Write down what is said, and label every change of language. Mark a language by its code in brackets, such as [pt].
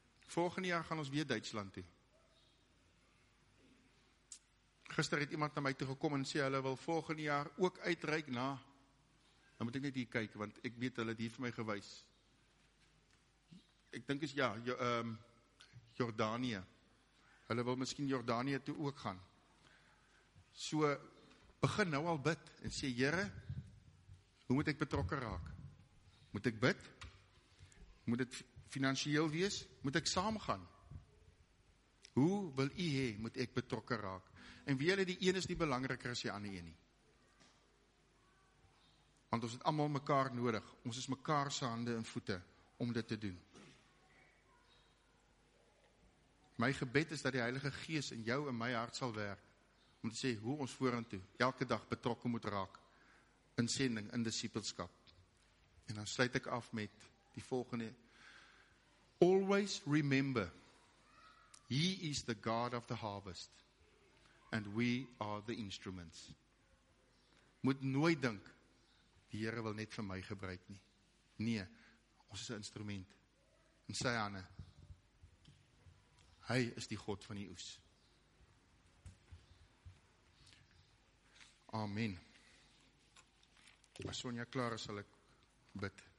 [af] Volgende jaar gaan ons weer Duitsland toe. Gister het iemand na my toe gekom en sê hulle wil volgende jaar ook uitreik na. Dan moet ek net hier kyk, want ek weet hulle het hier vir my gewys. Ek dink is ja, Jordanië. Hulle wil miskien Jordanië toe ook gaan. So, begin nou al bid en sê, Here, hoe moet ek betrokke raak? Moet ek bid? Moet ek financieel wees? Moet ek saam gaan? Hoe wil u hê, moet ek betrokke raak? En wie hulle die een is nie belangriker as jy aan die een nie. Want ons het allemaal mekaar nodig. Ons is mekaar se hande en voete om dit te doen. My gebed is dat die Heilige Gees in jou en my hart sal werk, om te sê hoe ons vorentoe elke dag betrokke moet raak in sending, in discipleskap. En dan sluit ek af met die volgende. [en] Always remember, He is the God of the harvest, and we are the instruments. [af] Moet nooit dink, die Here wil net vir my gebruik nie. Nee, ons is 'n instrument. En sy hande, Hy is die God van die oes. Amen. As Sonja klaar is, sal ek bid.